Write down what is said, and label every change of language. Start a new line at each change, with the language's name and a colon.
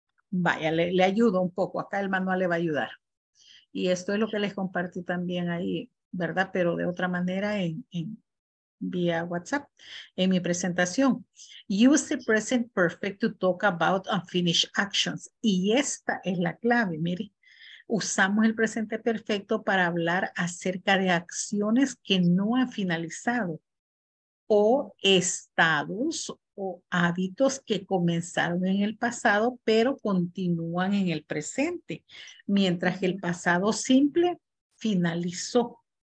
Spanish: Vaya, le ayudo un poco, acá el manual le va a ayudar. Y esto es lo que les compartí también ahí, ¿verdad? Pero de otra manera en vía WhatsApp, en mi presentación.
English: Use the present perfect to talk about unfinished actions.
Spanish: Y esta es la clave, mire. Usamos el presente perfecto para hablar acerca de acciones que no han finalizado o estados o hábitos que comenzaron en el pasado, pero continúan en el presente, mientras que el pasado simple finalizó.